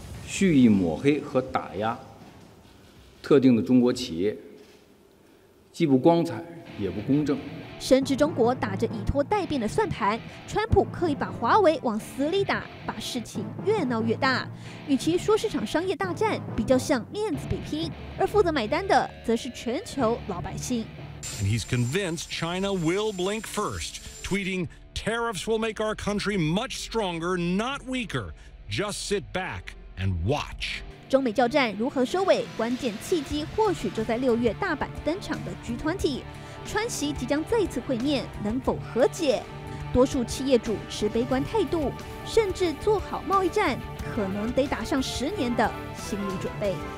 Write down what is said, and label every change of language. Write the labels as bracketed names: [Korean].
[Chinese] 蓄意抹黑和打压特定的中国企业，既不光彩也不公正。深知中国打着以拖代变的算盘，川普刻意把华为往死里打，把事情越闹越大。与其说市场商业大战，比较像面子比拼，而负责买单的则是全球老百姓。 [English] And he's convinced China will blink first, tweeting, "Tariffs will make our country much stronger, not weaker. Just sit back and watch." [Chinese] 中美交战如何收尾？关键契机或许就在6月大阪登场的 G20。川西即将再次会面，能否和解？多数企业主持悲观态度，甚至做好贸易战可能得打上10年的心理准备。